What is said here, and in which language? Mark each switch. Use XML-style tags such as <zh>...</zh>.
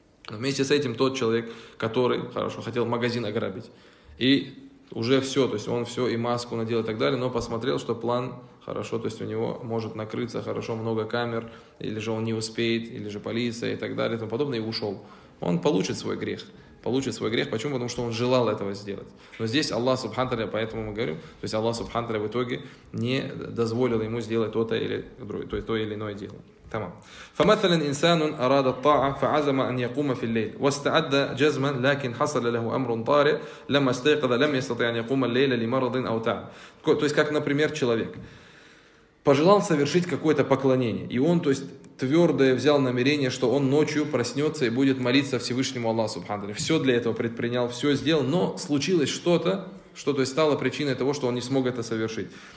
<ru>Но вместе с этим тот человек, который, хорошо, хотел магазин ограбить, и уже все, то есть он все и маску надел и так далее, но посмотрел, что план хорошо, то есть у него может накрыться хорошо, много камер, или же он не успеет, или же полиция и так далее и тому подобное, и ушел. Он получит свой грех. Получит свой грех. Почему? Потому что он желал этого сделать. Но здесь Аллах Субханталя, поэтому мы говорим, то есть Аллах Субханталя в итоге не дозволил ему сделать то-то или другое, то или иное дело.</ru> <ar>فمثلا إنسان أراد الطاعة فعزم أن يقوم في الليل واستعد جزما لكن حصل له أمر طارئ لما استيقظ لم يستطع أن يقوم الليل لمرض أو تعب.</ar> <ru>То есть как, например, человек пожелал совершить какое-то поклонение, и он, то есть, твердое взял намерение, что он ночью проснется и будет молиться Всевышнему Аллаху Субханаху. Все для этого предпринял, все сделал, но случилось что-то, что, то есть, стало причиной того, что он не смог это совершить.</ru>